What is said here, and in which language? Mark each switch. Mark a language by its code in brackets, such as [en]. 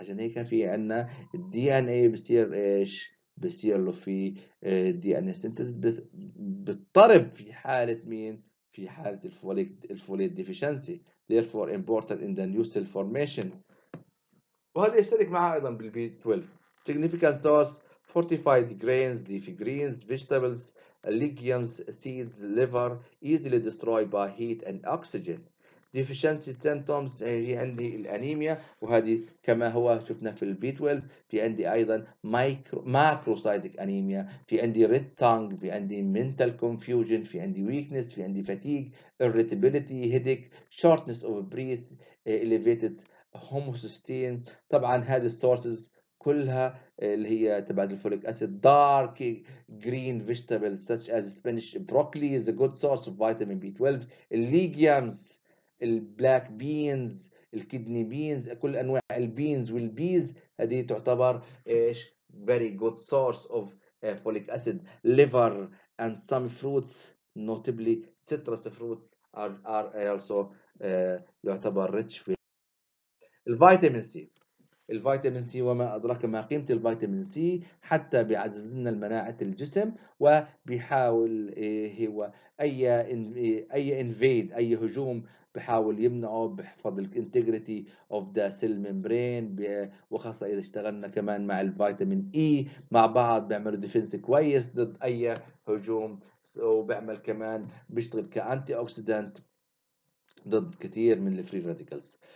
[ar] عشان هيك في عندنا الدي ان اي بيصير ايش بيصير له في دي ان سينتز بتضطرب في حاله مين في حاله الفوليت ديفيشنسي، [en] therefore important in the new cell formation. [ar] وهذا يشترك معها ايضا بالبي 12. [en] significant source fortified grains leafy greens vegetables legumes seeds liver easily destroyed by heat and oxygen. [ar] deficiency symptoms هي عندي الانيميا، وهذه كما هو شفنا في البي 12 في عندي ايضا ماكروسايتيك انيميا، في عندي ريد تانج، في عندي منتال كونفيوجن، في عندي ويكنس، في عندي فاتيج، irritability هيديك، شورتنس اوف بريث، elevated هوموسيستين. طبعا هذه السورسز كلها اللي هي تبع الفوليك اسيد. [en] Dark green vegetables such as spinach broccoli is a good source of vitamin B12. legumes البلاك beans, الكيدني beans, [ar] كل انواع البينز والبيز هذه تعتبر ايش [en] very good source of folic acid. liver and some fruits notably citrus fruits are also يعتبر rich الفيتامين C. [ar] الفيتامين سي وما ادراك ما قيمه الفيتامين سي، حتى بيعزز لنا مناعه الجسم وبيحاول هو اي انفيد اي هجوم بحاول يمنعه، بحفظ الانتجريتي اوف ذا سيل ممبرين، وخاصه اذا اشتغلنا كمان مع الفيتامين اي مع بعض بيعملوا ديفنس كويس ضد اي هجوم، وبيعمل كمان بيشتغل كانتي اوكسيدنت ضد كثير من الفري راديكلز.